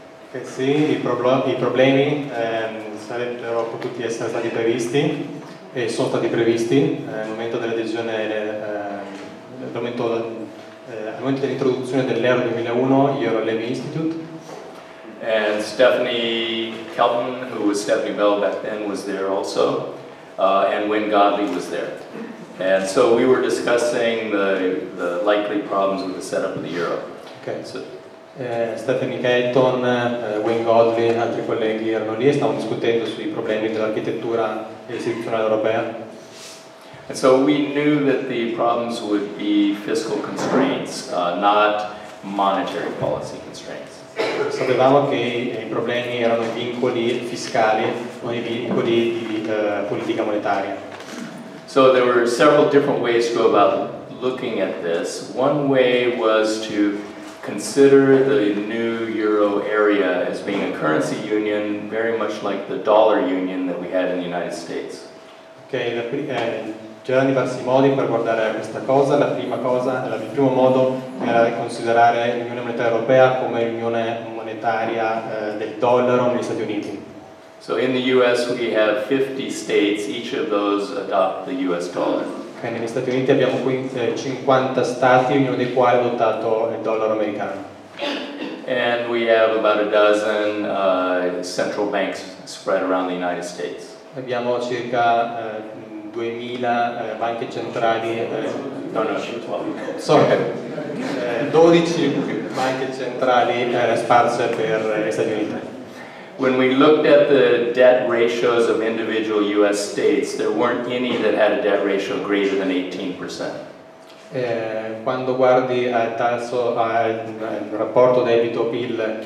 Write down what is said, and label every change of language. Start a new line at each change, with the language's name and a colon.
Italian: Che sì, i problemi sarebbero potuti essere stati previsti e sono stati previsti al momento dell'adesione, al momento dell'introduzione dell'euro 2001, Euro Levy Institute.
English: And Stephanie Kelton, who was Stephanie Bell back then, was there also, and Wayne Godley was there. And so we were discussing the likely problems with the setup of the euro.
Italian: Okay. So, Stephanie Kelton, Wayne Godley, and altri colleghi erano lì e stavamo discutendo sui problemi dell'architettura istituzionale europea.
English: And so we knew that the problems would be fiscal constraints, not monetary policy constraints.
Italian: Sapevamo che i problemi erano vincoli fiscali, non i vincoli di politica monetaria.
English: So there were several different ways to go about looking at this. One way was to consider the new euro area as being a currency union, very much like the dollar union that we had in the United States.
Italian: Okay, c'erano diversi modi per guardare questa cosa. La prima cosa, il primo modo era considerare l'Unione Monetaria Europea come l'Unione Monetaria del dollaro negli Stati Uniti.
English: So in the U.S. we have 50 states, each of those adopt the U.S. dollar.
Italian: Okay, negli Stati Uniti abbiamo 50 stati, ognuno dei quali ha adottato il dollaro americano.
English: And we have about a dozen central banks spread around the United States.
Italian: Abbiamo circa 2000 banche centrali. Sorry, 12 banche centrali sparse per gli Stati Uniti.
English: When we looked at the debt ratios of individual U.S. states, there weren't any that had a debt ratio greater than 18%.
Italian: Quando guardi al tasso, al rapporto debito PIL,